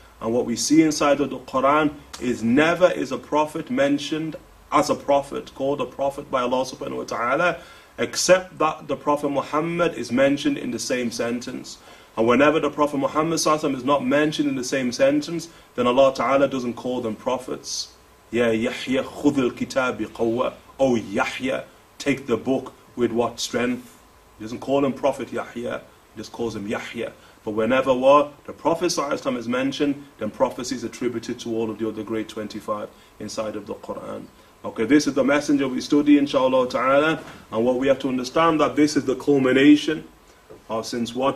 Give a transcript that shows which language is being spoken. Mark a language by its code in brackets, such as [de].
[en] And what we see inside of the Quran is never is a prophet mentioned as a prophet, called a prophet by Allah subhanahu wa ta'ala, except that the Prophet Muhammad is mentioned in the same sentence. And whenever the Prophet Muhammad is not mentioned in the same sentence, then Allah ta'ala doesn't call them prophets. [ar] Ya Yahya, خذ الكتاب بقوة. [en] Oh Yahya, take the book with what strength? He doesn't call him Prophet Yahya, he just calls him Yahya. But whenever what? The Prophet ﷺ is mentioned, then prophecy is attributed to all of the other great 25 inside of the Quran. Okay, this is the messenger we study, inshallah ta'ala. And what we have to understand that this is the culmination of since what?